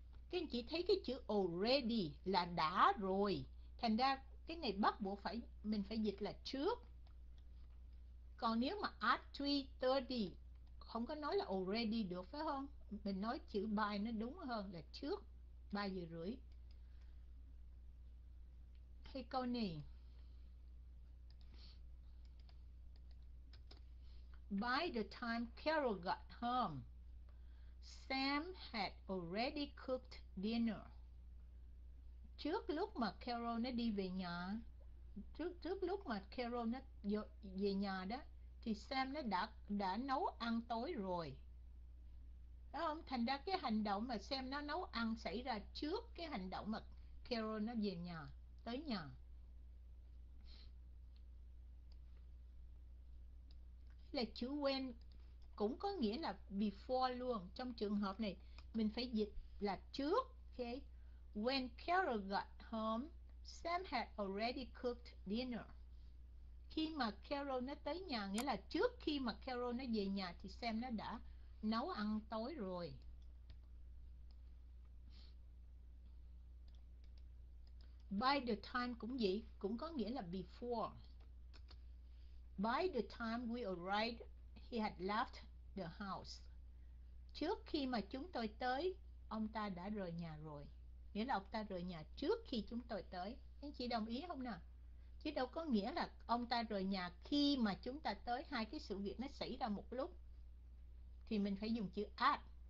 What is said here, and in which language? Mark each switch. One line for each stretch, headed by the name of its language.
Vietnamese: Các anh chị thấy cái chữ already là đã rồi, thành ra cái này bắt buộc phải mình phải dịch là trước. Còn nếu mà at 3:30 không có nói là already được, phải không? Mình nói chữ by nó đúng hơn là trước 3 giờ rưỡi. Thì câu này
English: by the time Carol got home, Sam had already cooked dinner.
Vietnamese: Trước lúc mà Carol nó đi về nhà, trước trước lúc mà Carol nó về nhà đó, thì Sam nó đã nấu ăn tối rồi. Đúng không? Thành ra cái hành động mà Sam nó nấu ăn xảy ra trước cái hành động mà Carol nó về nhà, tới nhà. Là chữ when cũng có nghĩa là before luôn. Trong trường hợp này mình phải dịch là trước, okay?
English: When Carol got home, Sam had already cooked dinner.
Vietnamese: Khi mà Carol nó tới nhà, nghĩa là trước khi mà Carol nó về nhà thì Sam nó đã nấu ăn tối rồi. By the time cũng vậy, cũng có nghĩa là before.
English: By the time we arrived, he had left the house.
Vietnamese: Trước khi mà chúng tôi tới, ông ta đã rời nhà rồi. Nghĩa là ông ta rời nhà trước khi chúng tôi tới. Anh chị đồng ý không nào? Chứ đâu có nghĩa là ông ta rời nhà khi mà chúng ta tới. Hai cái sự việc nó xảy ra một lúc thì mình phải dùng chữ at.